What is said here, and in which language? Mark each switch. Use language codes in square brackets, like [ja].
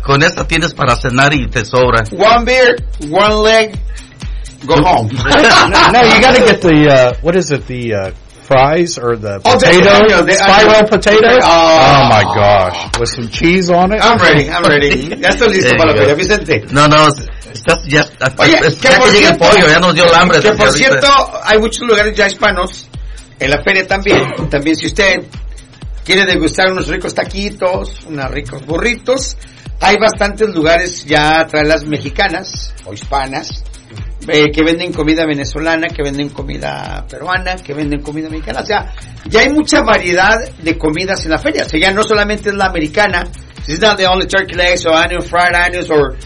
[es] Con esta tienes para cenar y te sobra. [en] One beer, one leg. Go home. No, you gotta get the, what is it, the fries or the potato? Spiral potato? Oh my gosh. With some cheese on it? I'm ready. [es] Ya estoy listo para la feria, Vicente. No, estás ya. Oye, que por cierto, el pollo, ya nos dio el hambre. Que por cierto, hay muchos lugares ya hispanos en la feria también. También, si usted quiere degustar unos ricos taquitos, unos ricos burritos, hay bastantes lugares ya tras las mexicanas o hispanas. Que venden comida venezolana, que venden comida peruana, que venden comida mexicana. O sea, ya hay mucha variedad de comidas en la feria. O sea, ya no solamente es la americana. [en] It's not the only turkey legs or onion, fried onions or...